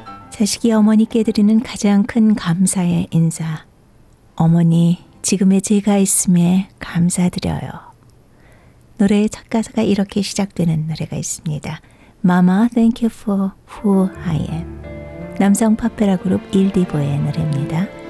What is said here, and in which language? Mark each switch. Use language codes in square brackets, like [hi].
[ko] 자식이 어머니께 드리는 가장 큰 감사의 인사. 어머니, 지금의 제가 있음에 감사드려요. 노래의 첫 가사가 이렇게 시작되는 노래가 있습니다. [en] Mama, thank you for who I am. [ko] 남성 팝페라 그룹 일디보의 노래입니다.